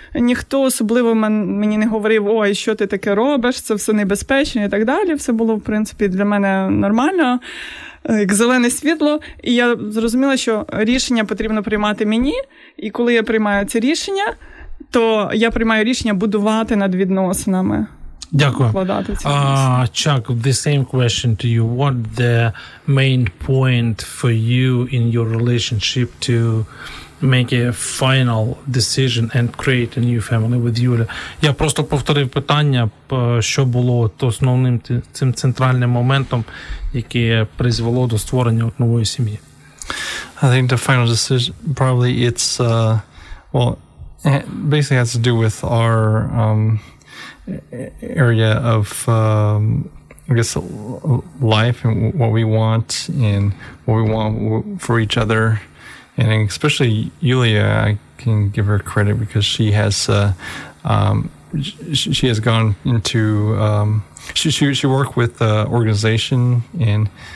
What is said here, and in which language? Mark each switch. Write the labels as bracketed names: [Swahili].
[Ukrainian] Ніхто особливо мені не говорив, ой, що ти таке робиш, це все небезпечно і так далі. Все було, в принципі, для мене нормально, як зелене світло. І я зрозуміла, що рішення потрібно приймати мені. І коли я приймаю це рішення, то я приймаю рішення будувати над відносинами. Дякую. [English] Чак, the same question to you. What the main point for you in your relationship to make a final decision and create a new family with Юля? [Ukrainian] Я просто повторив питання, що було основним цим центральним моментом, яке призвело до створення нової сім'ї. [English] I think the final decision, probably it's, it basically has to do with our... area of I guess life and what we want and what we want for each other, and especially Yulia, I can give her credit because she has she has gone into she worked with the organization